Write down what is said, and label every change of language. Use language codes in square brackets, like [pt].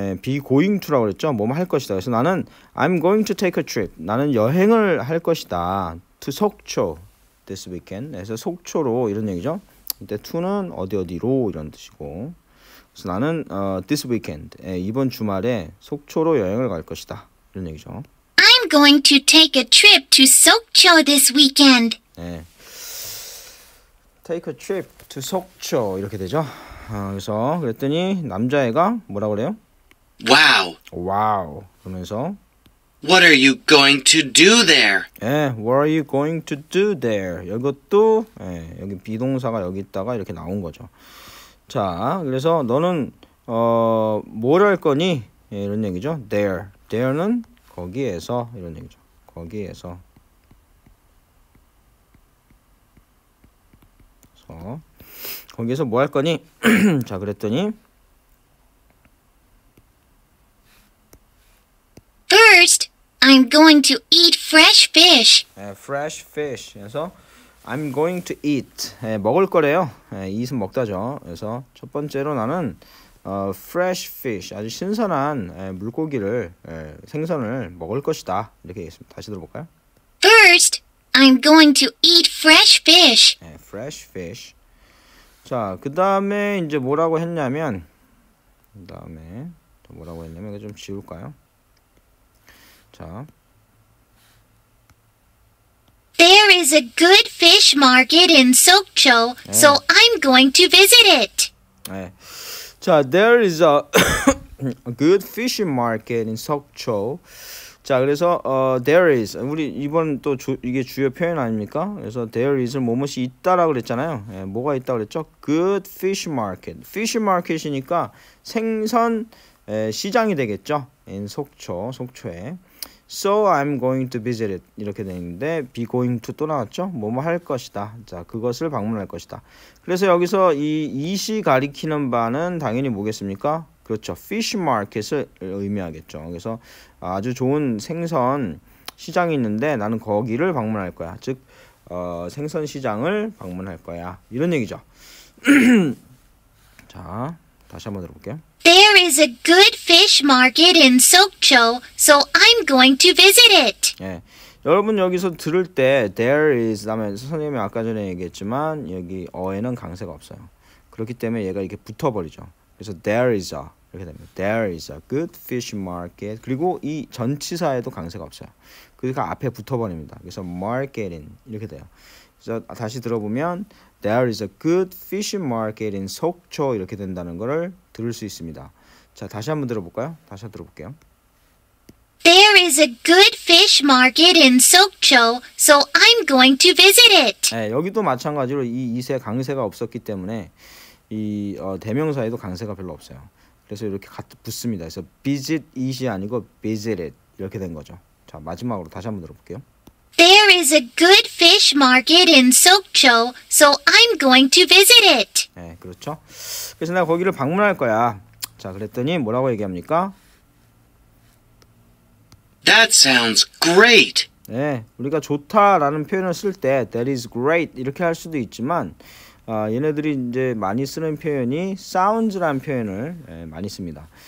[en] be going to라고 [ko] 그랬죠. 뭐 할 것이다. 그래서 나는 [en] I'm going to take a trip. [ko] 나는 여행을 할 것이다. [en] to 속초 this weekend. [ko] 그래서 속초로 이런 얘기죠. 이때 to는 어디 어디로 이런 뜻이고. 그래서 나는 [en] this weekend. [ko] 이번 주말에 속초로 여행을 갈 것이다. 이런 얘기죠. [en] I'm going to take a trip to 속초 this weekend. 네. take a trip to 속초 [ko] 이렇게 되죠. 그래서 그랬더니 남자애가 뭐라고 그래요? [en] Wow. [ko] Wow. 그러면서 [en] What are you going to do there? 예, what are you going to do there? [ko] 이것도 예, 여기 비동사가 여기 있다가 이렇게 나온 거죠. 자, 그래서 너는 뭘 할 거니? 예, 이런 얘기죠. There. There는 거기에서 이런 얘기죠. 거기에서. 거기에서 뭐 할 거니? 자, 그랬더니 [en] First I'm going to eat fresh fish. Fresh fish. [ko] 그래서 [en] I'm going to eat. [ko] 먹을 거래요. eat은 먹다죠. 그래서 첫 번째로 나는 [en] fresh fish. [ko] 아주 신선한 물고기를 생선을 먹을 것이다. 이렇게 얘기했습니다. 다시 들어볼까요? [en] First I'm going to eat fresh fish. Fresh fish. [ko] 자, 그다음에 이제 뭐라고 했냐면 그다음에 또 뭐라고 했냐면 이거 좀 지울까요? 자. [en] There is a good fish market in Sokcho, 네. so I'm going to visit it. [ko] 네. [en] 자, there is a good fish market in Sokcho. [ko] 자, 그래서 there is 우리 이번 또 이게 주요 표현 아닙니까? 그래서 there is 뭐뭐이 있다라고 그랬잖아요. 예, 뭐가 있다 그랬죠? [en] good fish market. [ko] fish market이니까 생선 시장이 되겠죠. in 속초에. [en] So I'm going to visit it. [ko] 이렇게 되어 있는데 [en] be going to [ko] 또 나왔죠? 뭐뭐 할 것이다. 자, 그것을 방문할 것이다. 그래서 여기서 이 이시 가리키는 바는 당연히 뭐겠습니까? 그렇죠. Fish market을 의미하겠죠. 그래서 아주 좋은 생선 시장이 있는데 나는 거기를 방문할 거야. 즉 생선 시장을 방문할 거야. 이런 얘기죠. 자, 다시 한번 들어볼게요. [en] There is a good fish market in Sokcho, so I'm going to visit it. [ko] 예, 여러분 여기서 들을 때 there is 다음에 선생님이 아까 전에 얘기했지만 여기 어에는 강세가 없어요. 그렇기 때문에 얘가 이렇게 붙어버리죠. 그래서 [en] there is a [ko] 이렇게 됩니다. [en] There is a good fish market. [ko] 그리고 이 전치사에도 강세가 없어요. 그러니까 앞에 붙어버립니다. 그래서 market in 이렇게 돼요. 그래서 다시 들어보면 [en] There is a good fish market in [ko] 속초 이렇게 된다는 것을 들을 수 있습니다. 자, 다시 한번 들어볼까요? 다시 한번 들어볼게요. [en] There is a good fish market in 속초, so I'm going to visit it. [ko] 네, 여기도 마찬가지로 이 이세 강세가 없었기 때문에 이 대명사에도 강세가 별로 없어요. 그래서 이렇게 붙습니다. 그래서 visit it이 아니고 visit it 이렇게 된 거죠. 자, 마지막으로 다시 한번 들어볼게요. [en] There is a good fish market in Sokcho, so I'm going to visit it. [ko] 네, 그렇죠. 그래서 내가 거기를 방문할 거야. 자, 그랬더니 뭐라고 얘기합니까? [en] That sounds great. [ko] 네, 우리가 좋다라는 표현을 쓸 때 [en] that is great [ko] 이렇게 할 수도 있지만 얘네들이 이제 많이 쓰는 표현이 sounds라는 표현을 많이 씁니다.